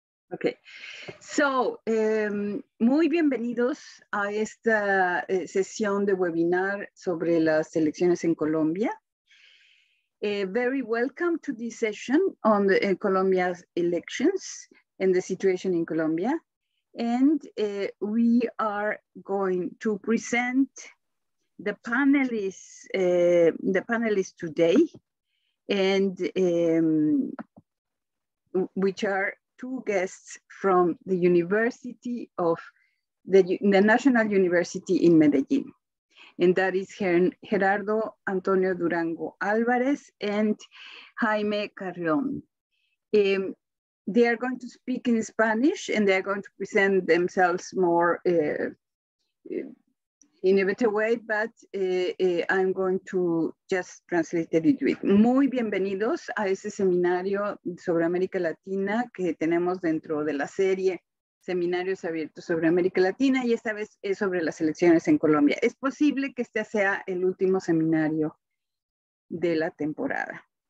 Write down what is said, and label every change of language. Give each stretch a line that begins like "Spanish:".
Spanish: Okay, so muy bienvenidos a esta sesión de webinar sobre las elecciones en Colombia.
English: Very welcome to this session on the, Colombia's elections and the situation in Colombia. And we are going to present the panelists today, and which are two guests from the University of the National University in Medellin, and that is Gerardo Antonio Durango Álvarez and Jaime Carrión. They are going to speak in Spanish, and they are going to present themselves more in a better way, but I'm going to just translate it with.
Spanish: Muy bienvenidos a ese seminario sobre América Latina que tenemos dentro de la serie Seminarios Abiertos sobre América Latina, y esta vez es sobre las elecciones en Colombia. Es posible que este sea el último seminario de la temporada.